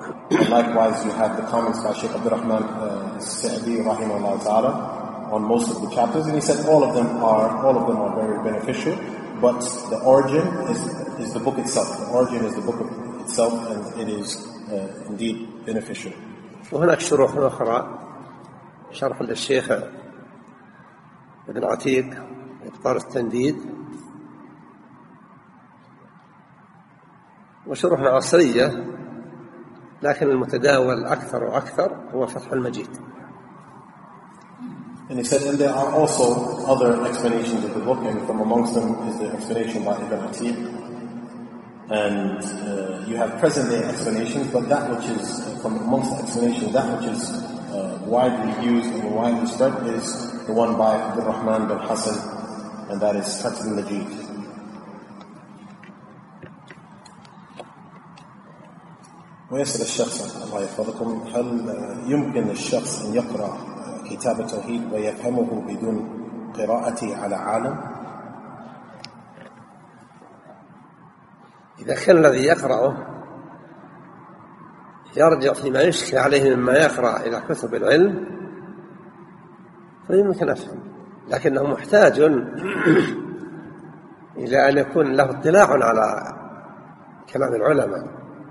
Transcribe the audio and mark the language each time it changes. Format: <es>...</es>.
<en>And likewise, you have the comments by Sheikh Abdurrahman Sa'di rahimahullah ta'ala on most of the chapters. And he said all of them are very beneficial, but the origin is the book itself. The origin is the book itself, and it is indeed beneficial.</en> <ar>وهناك شروح أخرى، شرح للشيخ ابن عتيق إبطار التنديد، وشروح عصرية، لكن المتداول أكثر وأكثر هو فتح المجيد.</ar> <en>And he said, and there are also other explanations of the book, and from amongst them is the explanation by Ibn Atib. And you have present-day explanations, but that which is from amongst the explanations, that which is widely used and widely spread is the one by Abdul Rahman bin Hassan, and that is Fath al-Majid.</en> <ar>ويسأل الشخص الله يحفظكم هل يمكن الشخص أن يقرأ كتاب التوحيد ويفهمه بدون قراءته على عالم؟ إذا كان الذي يقرأه يرجع فيما يشكل عليه مما يقرأ إلى كتب العلم فيمكن أفهم، لكنه محتاج إلى أن يكون له اطلاع على كلام العلماء.</ar>